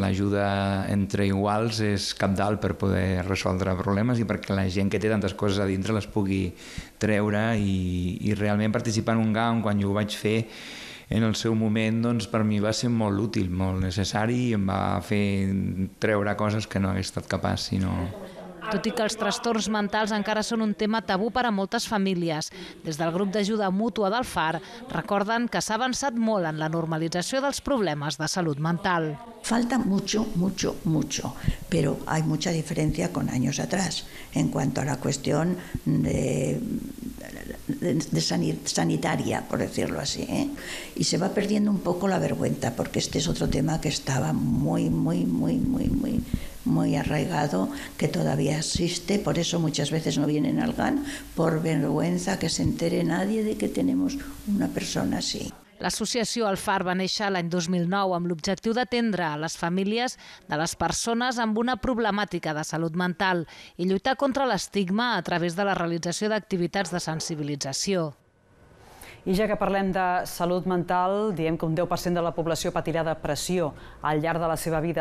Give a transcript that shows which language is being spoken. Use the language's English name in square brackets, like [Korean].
[Catalan] L'ajuda entre iguals és cabdal per poder resoldre problemes i perquè la gent que té tantes coses a dintre les pugui treure i realment participar en un GAM, quan jo ho vaig fer en el seu moment, doncs per mi va ser molt útil, molt necessari i em va fer treure coses que no hagués estat capaç, sinó... Tot i que els trastorns mentals encara són un tema tabú per a moltes famílies, des del grup d'ajuda mútua del FAR recorden que s'ha avançat molt en la normalització dels problemes de salut mental. [Spanish] Falta mucho, mucho, mucho, pero hay mucha diferencia con años atrás en cuanto a la cuestión de sanitaria, por decirlo así, ¿eh? Y se va perdiendo un poco la vergüenza, porque este es otro tema que estaba muy arraigado, que todavía existe, por eso muchas veces no vienen al GAN, por vergüenza que se entere nadie de que tenemos una persona así. [Catalan] L'associació El Far va néixer l'any 2009 amb l'objectiu d'atendre a les famílies de les persones amb una problemàtica de salut mental i lluitar contra l'estigma a través de la realització d'activitats de sensibilització. I ja que parlem de salut mental, diem que un 10% de la població patirà depressió al llarg de la seva vida.